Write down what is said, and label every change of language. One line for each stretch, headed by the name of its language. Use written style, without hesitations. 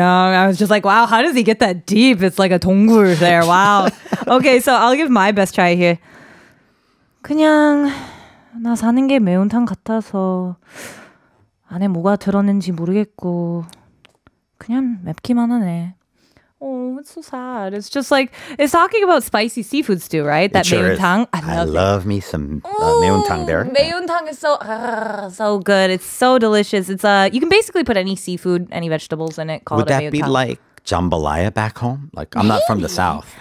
English: I was just like, wow, how does he get that deep? It's like a 동굴 there. Wow. Okay, so I'll give my best try here.
Korean: 그냥 나 사는 게 매운탕 같아서 안에 뭐가 들었는지 모르겠고 그냥 맵기만 하네.
English: Oh, it's so sad. It's just like, it's talking about spicy seafood stew, right? That sure meuntang. I love me some meuntang there. Meuntang is so good. It's so delicious. It's you can basically put any seafood, any vegetables in it, call Would it a meuntang. Would that be like jambalaya back home? Like, I'm not from the South.